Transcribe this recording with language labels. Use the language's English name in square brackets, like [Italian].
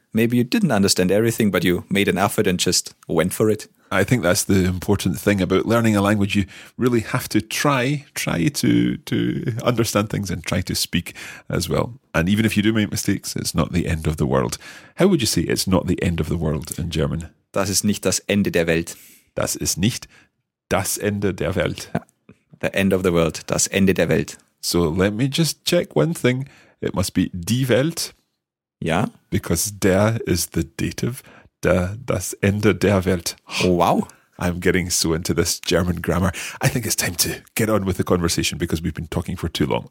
[English] Maybe you didn't understand everything, but you made an effort and just went for it. I think that's the important thing about learning a language. You really have to try to understand things and try to speak as well. And even if you do make mistakes, it's not the end of the world. How would you say it's not the end of the world in German? [German] Das ist nicht das Ende der Welt. Das ist nicht das Ende der Welt. [English] The end of the world, [German] das Ende der Welt. [English] So let me just check one thing. It must be [German] die Welt. [English] Yeah. Because der is the dative. Der, [German] das Ende der Welt. [English] Oh, wow. I'm getting so into this German grammar. I think it's time to get on with the conversation because we've been talking for too long.